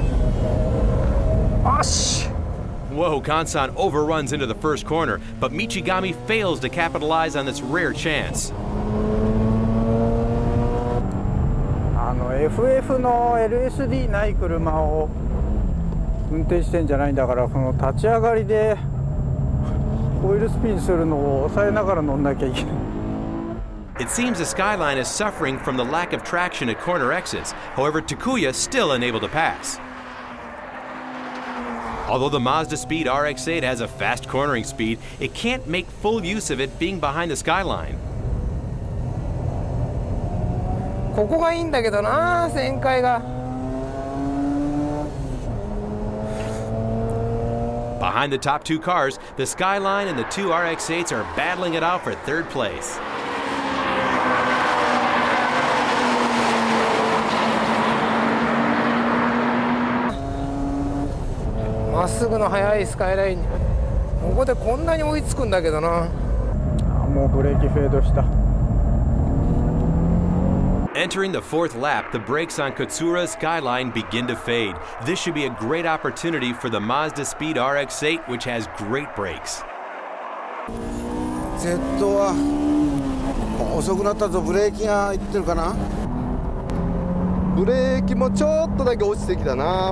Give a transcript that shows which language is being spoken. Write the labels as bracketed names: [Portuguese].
[English] Whoa, Gansan overruns into the first corner, but Michigami fails to capitalize on this rare chance. [Japanese] FF の LSD ない車を運転してんじゃないんだから、この立ち上がりでオイルスピンするのを抑えながら乗んなきゃいけない。 [English] It seems the skyline is suffering from the lack of traction at corner exits. However, Takuya still unable to pass. Although the Mazda Speed RX-8 has a fast cornering speed, it can't make full use of it being behind the skyline. [Japanese] ここがいいんだけどな、旋回が。 [English] Behind the top two cars, the skyline and the two RX-8s are battling it out for third place. [Japanese] まっすぐの速いスカイライン。ここでこんなに追いつくんだけどな。もうブレーキフェードした。 [English] Entering the fourth lap, the brakes on Katsura Skyline begin to fade. This should be a great opportunity for the Mazda Speed RX-8, which has great brakes. [Japanese] Z は遅くなったぞ。ブレーキがいってるかな。ブレーキもちょっとだけ落ちてきたな。